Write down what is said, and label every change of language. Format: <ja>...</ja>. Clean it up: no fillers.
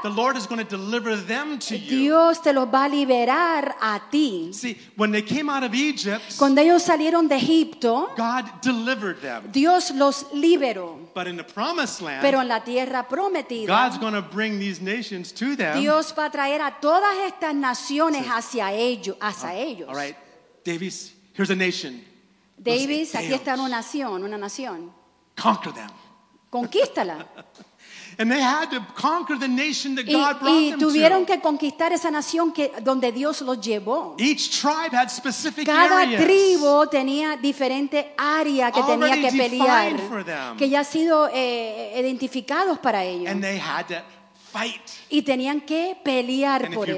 <en>The Lord is going to deliver them to you.</en> <es>Dios te los va a liberar a ti.</es> <en>See, when they came out of Egypt,</en> <es>cuando ellos salieron de Egipto,</es> <en>God delivered them.</en> <es>Dios los liberó.</es> <en>But in the promised land,</en> <es>pero en la tierra prometida,</es> <en>God's going to bring these nations to them.</en> <es>Dios va a traer a todas estas naciones hacia ellos.</es> <en>All right, Davis, Here's a nation.</en> <es>Davis, aquí está una nación.</es> <en>Conquer them.</en> <es>Conquístala.</es> <en>And they had to conquer the nation that God brought them to.</en> <es>Y tuvieron que conquistar esa nación que donde Dios los llevó.</es> <en>Each tribe had specific areas.</en> <es>Cada tribu tenía diferente área que tenía que pelear. Que ya ha sido identificados para ellos.</es> <en>And they had to fight.</en> <es>Y tenían que pelear por eso.</es>